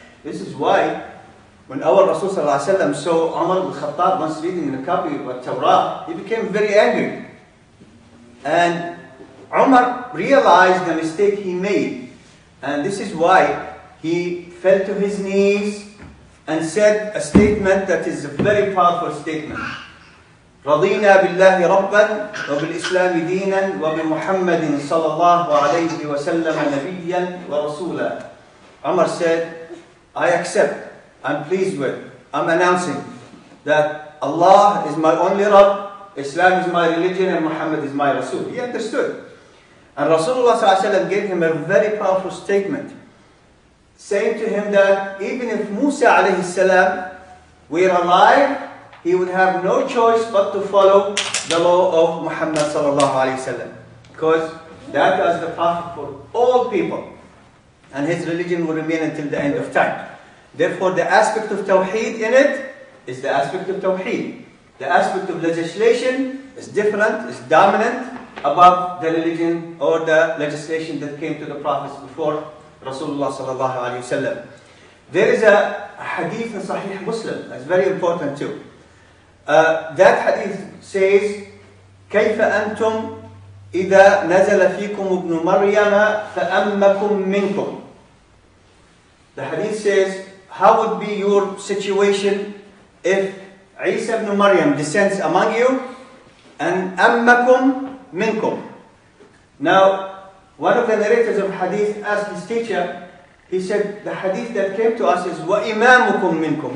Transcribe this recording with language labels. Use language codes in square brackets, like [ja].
[en] This is why when our Rasul ﷺ saw Umar al-Khattab once reading in a copy of the Torah, he became very angry. And Umar realized the mistake he made. And this is why he fell to his knees and said a statement that is a very powerful statement. [ar] رضينا بالله ربا وبالإسلام دينا وبمحمد صلى الله عليه وسلم نبيا ورسولا. [en] Umar said, I accept, I'm pleased with, I'm announcing that Allah is my only Rabb, Islam is my religion, and Muhammad is my Rasul. He understood. And Rasulullah صلى الله عليه وسلم gave him a very powerful statement, saying to him that even if Musa عليه السلام were alive, he would have no choice but to follow the law of Muhammad sallallahu alayhi wa sallam. Because that was the prophet for all people. And his religion will remain until the end of time. Therefore, the aspect of Tawheed in it is the aspect of Tawheed. The aspect of legislation is different, is dominant above the religion or the legislation that came to the prophets before Rasulullah sallallahu alayhi wa sallam. There is a hadith in Sahih Muslim that's very important too. That hadith says, [ar] كَيْفَ أَنْتُمْ إِذَا نَزَلَ فِيكُمُ ابْنُ مَرْيَمَ فَأَمَّكُمْ مِنْكُمْ. [en] The hadith says, how would be your situation if Isa ibn Maryam descends among you and [ar] أَمَّكُمْ مِنْكُمْ. [en] Now, one of the narrators of hadith asked his teacher, he said, the hadith that came to us is [ar] وَإِمَامُكُمْ مِنْكُمْ.